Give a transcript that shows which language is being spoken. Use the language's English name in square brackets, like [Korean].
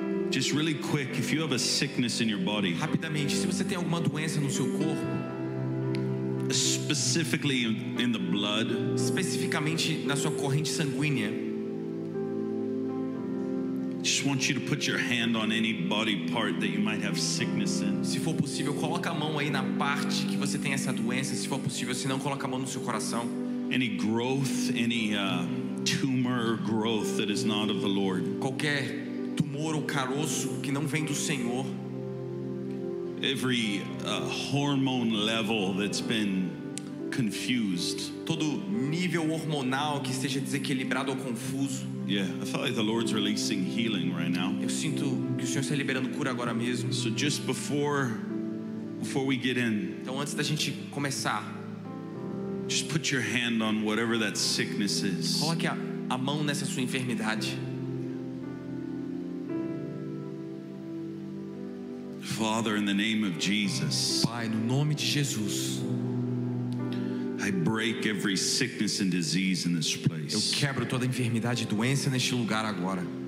[English] Just really quick, if you have a sickness in your body. [Portuguese] Rapidamente, se você tem alguma doença no seu corpo. [English] Specifically in the blood. [Portuguese] Especificamente na sua corrente sanguínea. [English] Just want you to put your hand on any body part that you might have sickness in. [Portuguese] Se for possível, coloca a mão aí na parte que você tem essa doença. Se for possível, se não, coloca a mão no seu coração. [English] Any growth, any tumor or growth that is not of the Lord. [Portuguese] Qualquer tumor ou caroço que não vem do Senhor. [English] Every hormone level that's been confused. [Portuguese] Todo nível hormonal que esteja desequilibrado ou confuso. [English] Yeah, I feel like the Lord's releasing healing right now. [Portuguese] Eu sinto que o Senhor está liberando cura agora mesmo. [English] So just before we get in. [Portuguese] Então antes da gente começar. [English] Just put your hand on whatever that sickness is. [Portuguese] Coloque a mão nessa sua enfermidade. [English] Father, in the name of Jesus. [Portuguese] Pai, no nome de Jesus. [English] I break every sickness and disease in this place. [Portuguese] Eu quebro toda a enfermidade e doença neste lugar agora.